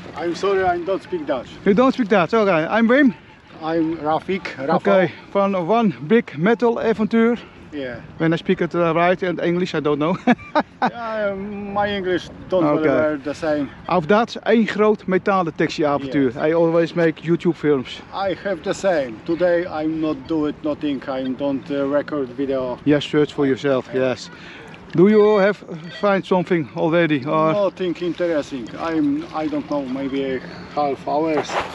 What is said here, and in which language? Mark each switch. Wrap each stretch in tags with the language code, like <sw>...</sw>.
<en>I'm sorry, I don't speak Dutch. You don't speak Dutch, oké. Okay. I'm Wim. I'm Rafik. Oké, okay. Van One Big Metal Adventure. Yeah. When I speak it right and English, I don't know. My English don't really okay. Work the same.</en> <nl>Of that's één groot metalen taxi avontuur.</nl> <en>Yes. I always make YouTube films. I have the same. Today I'm not doing nothing. I don't record video. Yes, search for yourself. Yes. Do you have find something already? Or? Nothing interesting. I don't know. Maybe a half hours.</en>